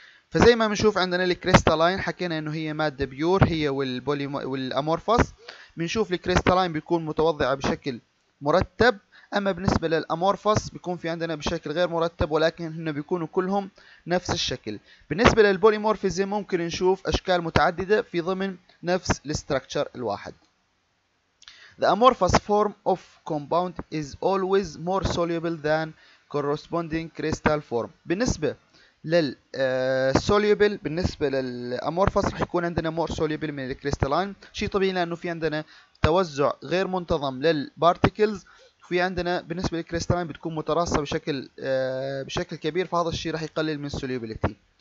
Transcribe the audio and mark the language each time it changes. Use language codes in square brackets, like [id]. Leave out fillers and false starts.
[ar] فزي ما بنشوف عندنا الكريستالين حكينا انه هي ماده بيور هي والاموربوس بنشوف الكريستالين بيكون متوضع بشكل مرتب اما بالنسبه للاموربوس بيكون في عندنا بشكل غير مرتب ولكن هن بيكونوا كلهم نفس الشكل. بالنسبه للبوليمورفيزم ممكن نشوف اشكال متعدده في ضمن نفس الاستراكشر الواحد. [en] The amorphous form of compound is always more soluble than corresponding crystal form. [ar] بالنسبه للسوليبل بالنسبه للامورفوس راح يكون عندنا مور سوليبل من الكريستالين. شيء طبيعي لانه في عندنا توزع غير منتظم للبارتيكلز في عندنا بالنسبه للكريستالين بتكون متراصه بشكل كبير فهذا الشيء راح يقلل من السوليبلتي.